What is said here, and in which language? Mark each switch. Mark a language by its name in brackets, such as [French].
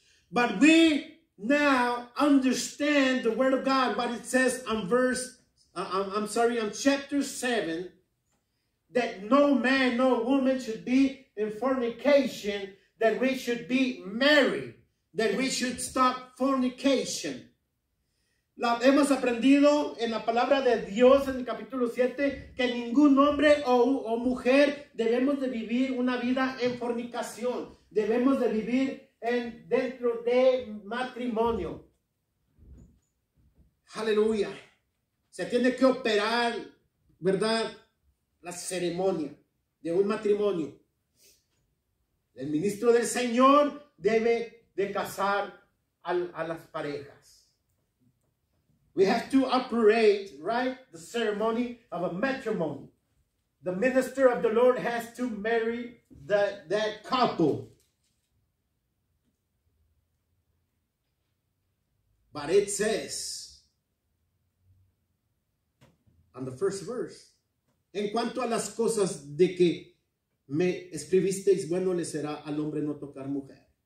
[English] But we now understand the word of God, what it says on chapter 7, that no man, no woman should be in fornication, that we should be married, that we should stop fornication. [Spanish] La hemos aprendido en la palabra de Dios en el capítulo 7 que ningún hombre o mujer debemos de vivir una vida en fornicación. Debemos de vivir en dentro de matrimonio. Aleluya. Se tiene que operar, ¿verdad?, la ceremonia de un matrimonio. El ministro del Señor debe de casar a las parejas. [English] We have to operate, right, the ceremony of a matrimony. The minister of the Lord has to marry that couple. But it says, on the first verse, [Spanish] en cuanto a las cosas de que me escribisteis, bueno le será al hombre no tocar mujer.